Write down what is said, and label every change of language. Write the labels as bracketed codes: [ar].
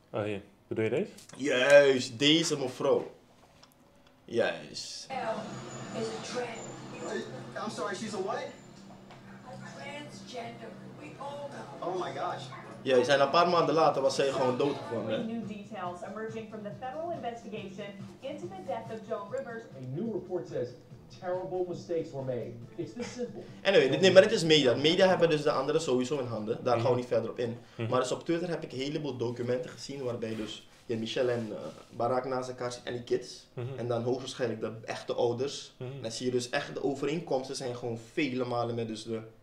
[nl] Oh ja, bedoel je deze? Juist, deze mevrouw. Yes. [en] Is a trans. I'm sorry, she's a what? A transgender. We all know. Oh my gosh. [nl] Ja, ze zijn een paar maanden later was ze gewoon dood gevonden. [en] New details emerging from the federal investigation into the death of Joan Rivers. A new report says terrible mistakes were made. It's this simple. [nl] Anyway, nee, maar het is media. Media hebben dus de anderen sowieso in handen. Daar gaan we niet verder op in. Mm-hmm. Maar dus op Twitter heb ik een heleboel documenten gezien waarbij dus... Ja, Michelle en Barack naast elkaar en die kids. Mm-hmm. En dan hoogstwaarschijnlijk de echte ouders. Mm-hmm. En dan zie je dus echt de overeenkomsten zijn gewoon vele malen met dus de...